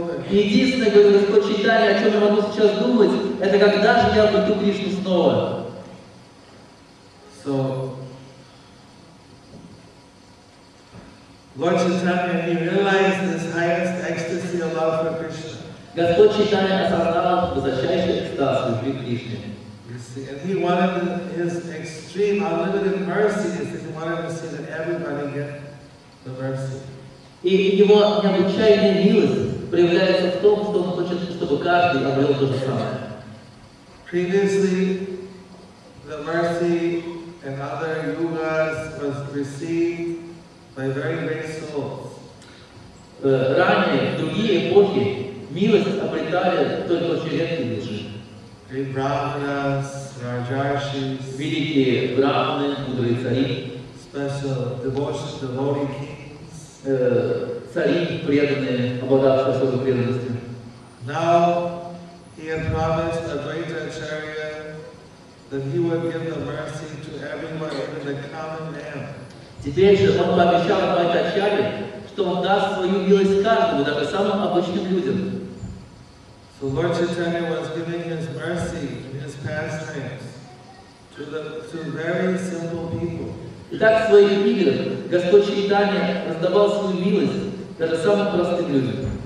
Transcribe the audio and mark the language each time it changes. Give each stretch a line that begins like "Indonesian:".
Russian: Единственное, говорит Господь Чайтанья, о чем я могу сейчас думать, это когда же я обрету Кришну снова.
English: So, Lord Chaitanya, he realized this highest ecstasy of love for Krishna.
Russian: Господь Чайтанья осознал высочайший экстаз любви к Кришне.
English: And he wanted his extreme unlimited mercy, because he wanted to see that everybody get the mercy.
Russian: И его необычайная милость проявляется в том, что он хочет, чтобы каждый обрел то же самое.
English: Previously, the mercy and other yugas was received by very great souls.
Russian: Ранее, в другие эпохи, милость обретали только очень редкие души.
English: Great brahmanas, rajarshis,
Russian: великие брахманы, мудрые цари,
English: special devotees, devotee kings,
Russian: цари, преданные, обладавшие особой преданностью.
English: Now he had promised Advaita Acharya that he would give the mercy to everyone, even the common man.
Russian: Теперь же он пообещал Advaita Acharya, что он даст свою милость каждому, даже самым обычным людям.
English: So Lord Chaitanya was giving his mercy in his pastimes to very simple people.
Russian: Итак, в своих играх Господь Чайтанья раздавал свою милость даже самым простым людям.